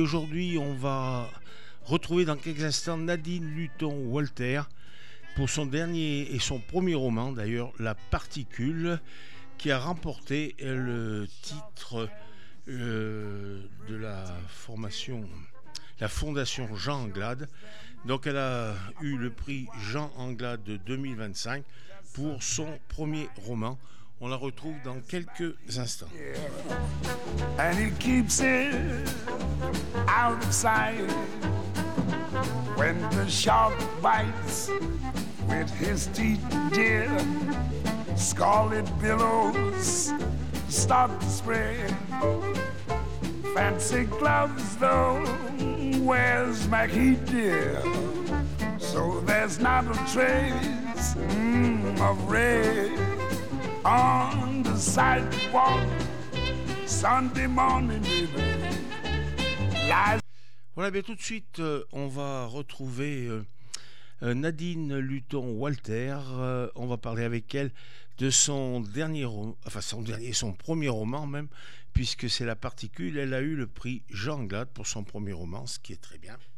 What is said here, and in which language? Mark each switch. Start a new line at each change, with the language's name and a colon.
French: Aujourd'hui, on va retrouver dans quelques instants Nadine Luton-Walter pour son dernier et son premier roman, d'ailleurs, La Particule, qui a remporté le titre de la formation, la Fondation Jean Anglade. Donc, elle a eu le prix Jean Anglade 2025 pour son premier roman. On la retrouve dans quelques instants.
English: Yeah. And he keeps it out of sight when the shark bites with his teeth, dear. Scarlet billows start to spread. Fancy gloves, though, where's Mackie, dear? So there's not a trace of red on the sidewalk Sunday morning, baby.
French: Voilà, bien tout de suite, on va retrouver Nadine Luton-Walter. On va parler avec elle de son dernier, son premier roman même, puisque c'est La Particule. Elle a eu le prix Jean Anglade pour son premier roman, ce qui est très bien.